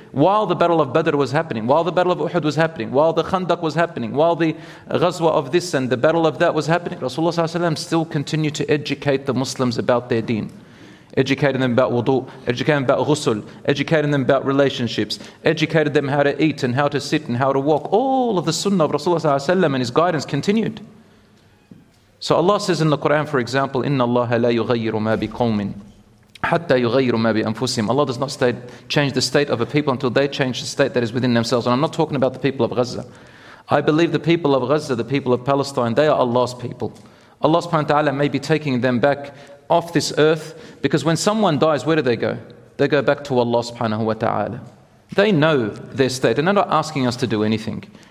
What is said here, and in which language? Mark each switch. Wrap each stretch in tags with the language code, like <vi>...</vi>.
<en>While the Battle of Badr was happening, while the Battle of Uhud was happening, while the Khandaq was happening, while the Ghazwa of this and the Battle of that was happening, Rasulullah sallallahu alaihi wasallam still continued to educate the Muslims about their deen. Educating them about wudu, educating them about ghusl, educating them about relationships, educated them how to eat and how to sit and how to walk. All of the sunnah of Rasulullah sallallahu alaihi wasallam and his guidance continued. So Allah says in the Quran, for example,</en> <ar>إِنَّ اللَّهَ لَا يُغَيِّرُ مَا بِقَوْمٍ حَتَّى يُغَيِّرُ مَا بِأَنفُسِهِمْ.</ar> <en>Allah does not change the state of a people until they change the state that is within themselves. And I'm not talking about the people of Gaza. I believe the people of Gaza, the people of Palestine, they are Allah's people. Allah subhanahu wa ta'ala may be taking them back off this earth, because when someone dies, where do they go? They go back to Allah subhanahu wa ta'ala. They know their state, and they're not asking us to do anything.</en>